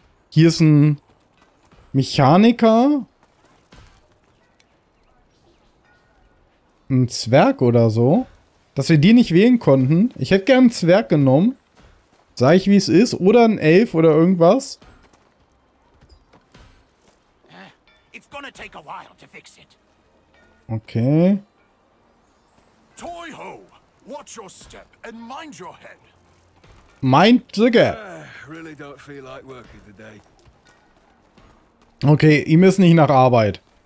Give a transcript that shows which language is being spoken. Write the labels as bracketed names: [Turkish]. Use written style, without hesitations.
[German] Hier ist ein Mechaniker. Ein Zwerg oder so. Dass wir die nicht wählen konnten. Ich hätte gern einen Zwerg genommen. Sag ich, wie es ist. Oder ein Elf oder irgendwas. [English] It's gonna take a while to fix it. Okay. Toyho, watch your step and mind your head. Mind the gap. Really don't feel like working today. [German] Okay, ihm ist nicht nach Arbeit.